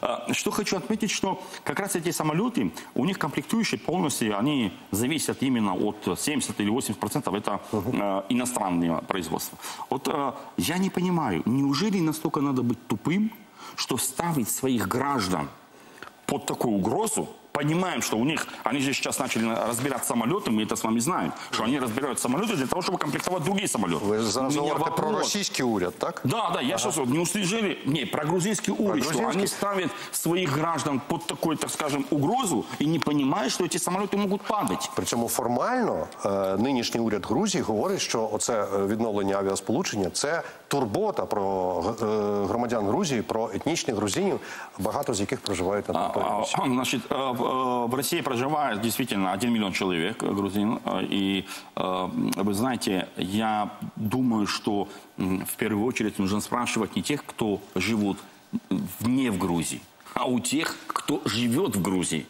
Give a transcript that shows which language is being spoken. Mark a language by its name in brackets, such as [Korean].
[Ukrainian] Що хочу відмітити, що якраз ці самоліти, у них комплектуючі повністю, вони залежать іменно від 70-80% це іноземне виробництво. От я не розумію, неужели настільки треба бути тупим, що ставити своїх громадян під таку угрозу, [Russian] понимаем, что у них, они же сейчас начали разбирать самолеты, мы это с вами знаем, что они разбирают самолеты для того, чтобы комплектовать другие самолеты. Вы же за разговор-то про российский уряд, так? Да, да, я сейчас вот не услышали, не, про грузинский уряд, что они ставят своих граждан под такой, так скажем, угрозу и не понимают, что эти самолеты могут падать. [Ukrainian] Причому формально нынешний уряд Грузии [Russian] говорит, что [Ukrainian] оце відновлення авіасполучення, це турбота про громадян Грузии, про этничных грузинів, багато з яких проживають на території. [Russian] Значит, в России проживает действительно 1 миллион человек грузин. И вы знаете, я думаю, что в первую очередь нужно спрашивать не тех, кто живут вне в Грузии, а у тех, кто живет в Грузии.